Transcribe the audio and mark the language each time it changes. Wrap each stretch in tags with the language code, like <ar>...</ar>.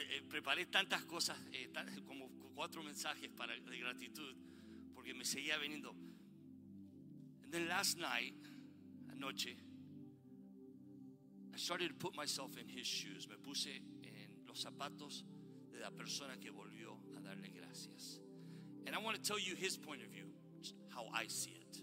<es>Preparé tantas cosas, como 4 mensajes para de gratitud, porque me seguía viniendo.</es> <en>And then last night,</en> <es>anoche,</es> <en>I started to put myself in his shoes.</en> <es>Me puse en los zapatos de la persona que volvió a darle gracias.</es> <en>And I want to tell you his point of view, how I see it.</en>